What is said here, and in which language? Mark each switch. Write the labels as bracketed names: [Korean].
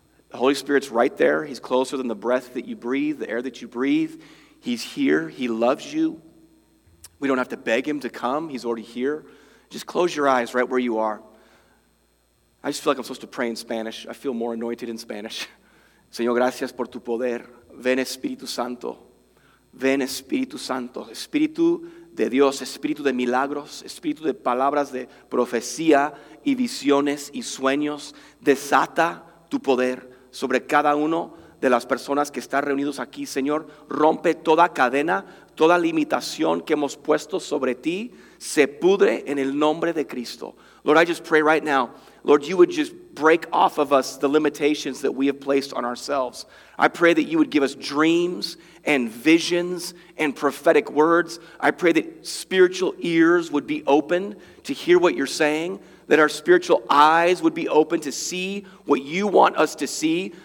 [English] The Holy Spirit's right there. He's closer than the breath that you breathe, the air that you breathe. He's here. He loves you. We don't have to beg him to come. He's already here. Just close your eyes right where you are. I just feel like I'm supposed to pray in Spanish. I feel more anointed in Spanish. [Spanish] Señor, gracias por tu poder. Ven, Espíritu Santo. Ven, Espíritu Santo. Espíritu de Dios. Espíritu de milagros. Espíritu de palabras de profecía y visiones y sueños. Desata tu poder sobre cada uno de las personas que están reunidos aquí, Señor. Rompe toda cadena, toda limitación que hemos puesto sobre ti. Se pudre en el nombre de Cristo. [English] Lord, I just pray right now. Lord, you would just break off of us the limitations that we have placed on ourselves. I pray that you would give us dreams and visions and prophetic words. I pray that spiritual ears would be opened to hear what you're saying, that our spiritual eyes would be open to see what you want us to see.